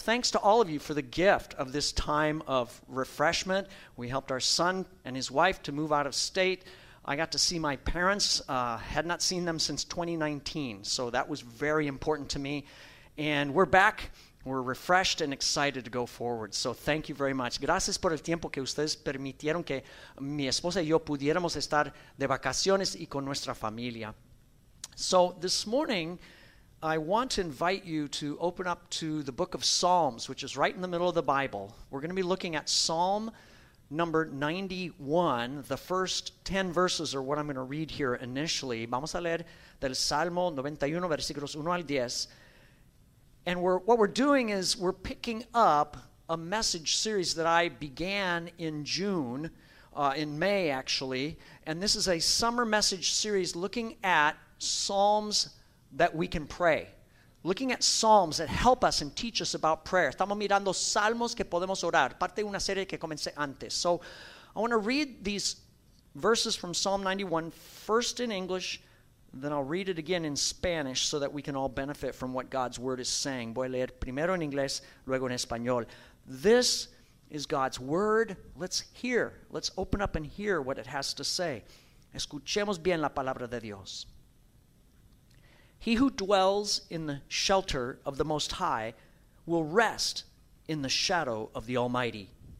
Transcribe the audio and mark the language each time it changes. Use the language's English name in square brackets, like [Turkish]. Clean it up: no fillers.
[English] Thanks to all of you for the gift of this time of refreshment. We helped our son and his wife to move out of state. I got to see my parents, had not seen them since 2019, so that was very important to me. And we're back, we're refreshed and excited to go forward. So thank you very much. [Spanish] Gracias por el tiempo que ustedes permitieron que mi esposa y yo pudiéramos estar de vacaciones y con nuestra familia. [English] So this morning, I want to invite you to open up to the book of Psalms, which is right in the middle of the Bible. We're going to be looking at Psalm number 91, the first 10 verses are what I'm going to read here initially. [Spanish] Vamos a leer del Salmo 91, versículos 1 al 10. [English] And what we're doing is we're picking up a message series that I began in June, in May actually. And this is a summer message series looking at Psalms that we can pray. Looking at Psalms that help us and teach us about prayer. [Spanish] Estamos mirando Salmos que podemos orar. Parte de una serie que comencé antes. [English] So I want to read these verses from Psalm 91 first in English, then I'll read it again in Spanish so that we can all benefit from what God's word is saying. [Spanish] Voy a leer primero en inglés, luego en español. [English] This is God's word. Let's hear. Let's open up and hear what it has to say. [Spanish] Escuchemos bien la palabra de Dios. [English] He who dwells in the shelter of the Most High will rest in the shadow of the Almighty.